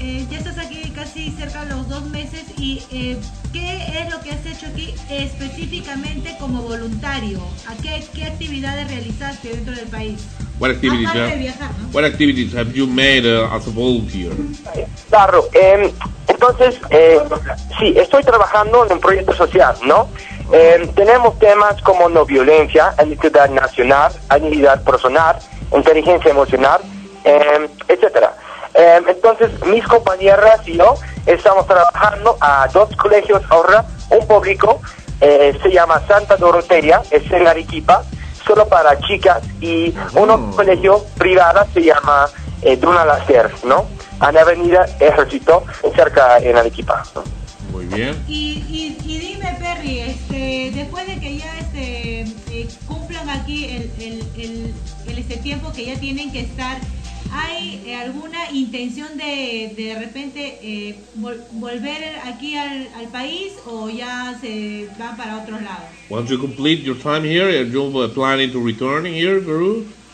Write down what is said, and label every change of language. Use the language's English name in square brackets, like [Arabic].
[Spanish] Ya estás aquí casi cerca de los 2 meses y ¿qué es lo que has hecho aquí específicamente como voluntario? ¿Qué actividades realizaste dentro del país? [English] What activities, [Spanish] aparte de viajar, ¿no? [English] What activities have you made as a volunteer? [Spanish] Claro, entonces, estoy trabajando en un proyecto social, ¿no? Okay. Tenemos temas como no violencia, identidad nacional, identidad personal, inteligencia emocional, etcétera. Entonces, mis compañeras y yo estamos trabajando a 2 colegios ahora, un público, se llama Santa Dorotea, es en Arequipa, solo para chicas, y un otro colegio privado se llama Duna Lacer, ¿no? En Avenida Ejército, cerca en Arequipa, ¿no? Muy bien. Y dime, Perry, después de que ya cumplan aquí el tiempo que ya tienen que estar, ¿hay alguna intención de repente volver aquí al país o ya se van para otros lados? [English] Once you complete your time here, are you planning to return here, Peru?